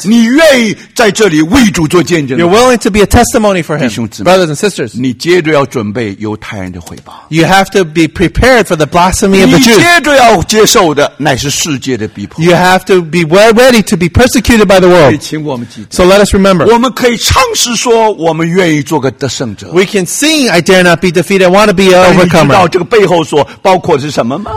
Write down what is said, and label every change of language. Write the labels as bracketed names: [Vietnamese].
[Chinese] 你愿意在这里为主做见证。 [English] You're willing to be a testimony for him. [Chinese] 弟兄姊妹。 [English] Brothers and sisters. [Chinese] 你接着要准备犹太人的毁谤。 [English] You have to be prepared for the blasphemy of the Jews. [Chinese] 你接着要接受的乃是世界的逼迫。 [English] You have to be ready to be persecuted by the world. [Chinese] 请我们记得。 [English] So let us remember. [Chinese] 我们可以唱诗说我们愿意做个得胜者。 [English] We can sing, I dare not be defeated, I want to be an overcomer. [Chinese] 知道这个背后所包括是什么吗